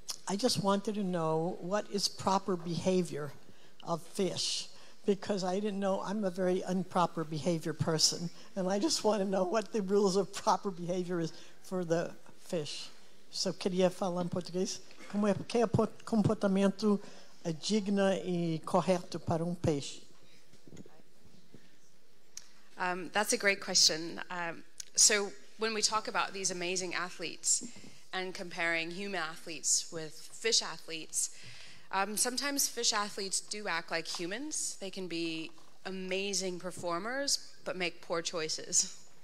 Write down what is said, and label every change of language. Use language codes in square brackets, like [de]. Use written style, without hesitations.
[en] I just wanted to know what is proper behavior of fish. Because I didn't know, I'm a very improper behavior person, and I just want to know what the rules of proper behavior is for the fish. [pt] So, queria falar em português, como é que é o comportamento digno e correto para peixe? [en] That's a great question. So, when we talk about these amazing athletes and comparing human athletes with fish athletes, sometimes fish athletes do act like humans. They can be amazing performers, but make poor choices.